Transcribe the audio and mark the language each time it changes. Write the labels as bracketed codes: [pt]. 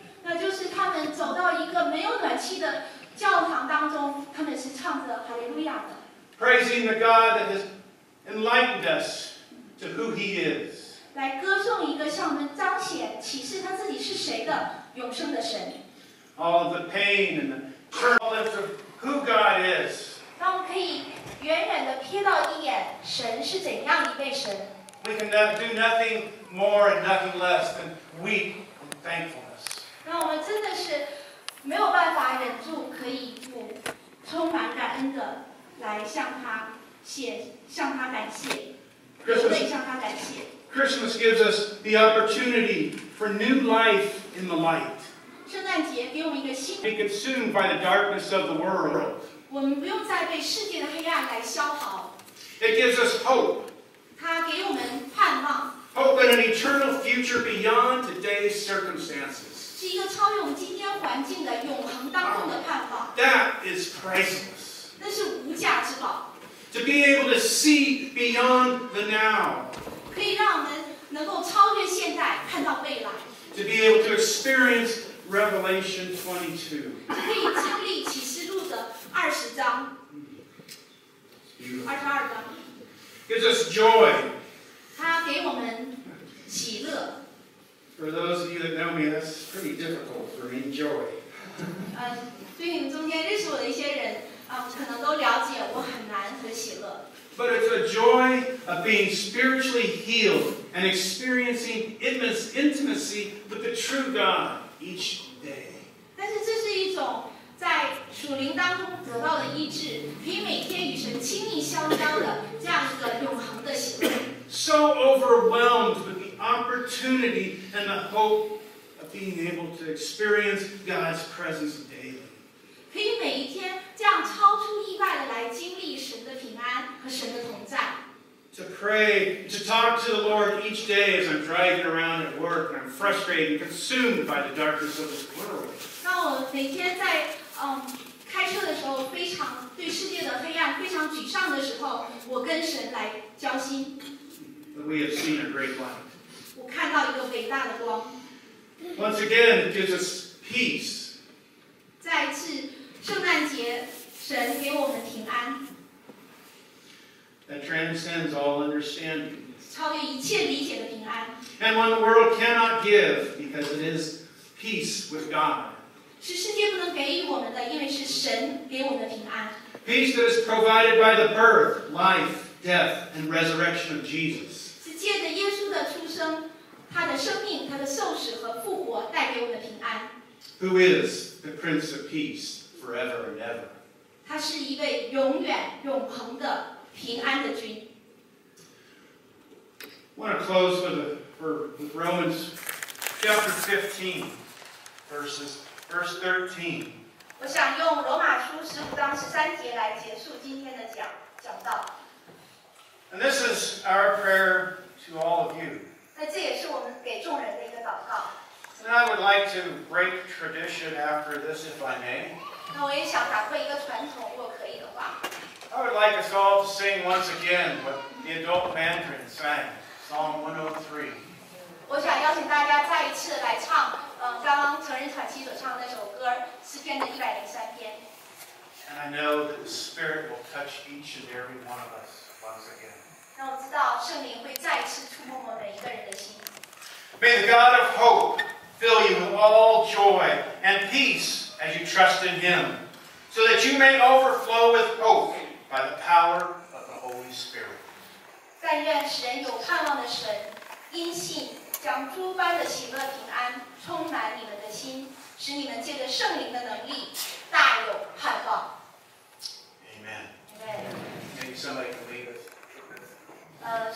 [zh] 那就是他们走到一个没有暖气的教堂当中，他们是唱着哈利路亚的。 [en] Praising the God that has enlightened us to who He is. [zh] 来歌颂一个向我们彰显、启示他自己是谁的永生的神。 [en] All of the pain and the turmoil of who God is. [zh] 那我们可以远远的瞥到一眼，神是怎样一位神。 [en] We can do nothing more and nothing less than weep in thankfulness. [zh] 那我们真的是没有办法忍住，可以不充满感恩的来向他谢，向他感谢，可以向他感谢。 [en] Christmas gives us the opportunity for new life in the light. [zh] 圣诞节给我们一个新。 [en] Be consumed by the darkness of the world. [zh] 我们不用再被世界的黑暗来消耗。 [en] It gives us hope. [zh] 它给我们盼望。 [en] Hope in an eternal future beyond today's circumstances. [zh] 是一个超越我们今天环境的永恒当中的盼望。 [en] That is priceless. [zh] 那是无价之宝。 [en] To be able to see beyond the now. [zh] 可以让我们能够超越现在，看到未来。 [en] To be able to experience Revelation 22. [zh] 可以经历启示录的二十章。二十二章。 [en] Gives us joy. [zh] 它给我们喜乐。 [en] For those of you that know me, that's pretty difficult for me, joy. [zh] 对你们中间认识我的一些人，可能都了解我很难和喜乐。 [en] But it's a joy of being spiritually healed and experiencing intimacy with the true God each day. [zh] 但是这是一种在属灵当中得到的医治，可以每天与神亲密相交的这样一个永恒的喜乐。 [en] So overwhelmed with the opportunity and the hope of being able to experience God's presence daily. [zh] 可以每一天这样超出意外的来经历神的平安和神的同在。 [en] To pray, to talk to the Lord each day as I'm driving around at work and I'm frustrated and consumed by the darkness of this world. [zh] 那我每天在开车的时候，非常对世界的黑暗非常沮丧的时候，我跟神来交心。 [en] But we have seen a great light. [zh] 我看到一个伟大的光。 [en] Once again, it gives us peace. [zh] 再次，圣诞节，神给我们平安。 [en] That transcends all understanding. [zh] 超越一切理解的平安。 [en] And one the world cannot give, because it is peace with God. [zh] 是世界不能给予我们的，因为是神给我们的平安。 [en] Peace that is provided by the birth, life, death, and resurrection of Jesus. [zh] 借着耶稣的出生，他的生命，他的受死和复活带给我们的平安。 [en] Who is the Prince of Peace forever and ever? [zh] 他是一位永远永恒的平安的君。 [en] I want to close with Romans chapter 15, verse 13. [zh] 我想用罗马书十五章十三节来结束今天的讲道。 [en] And this is our prayer. To all of you. And I would like to break tradition after this, if I may. I would like us all to sing once again what the adult mandarin sang, Psalm 103. [zh] 我想邀请大家再一次来唱，刚刚成人喘息所唱的那首歌，诗篇的一百零三篇。 [en] And I know that the Spirit will touch each and every one of us once again. [zh] 那我知道圣灵会再次触摸我们每一个人的心。 [en] May the God of hope fill you with all joy and peace as you trust in Him, so that you may overflow with hope by the power of the Holy Spirit. [zh] 但愿神有盼望的神，因信将诸般的喜乐平安充满你们的心，使你们借着圣灵的能力大有盼望。 [en] Amen. Amen. Maybe somebody can leave us.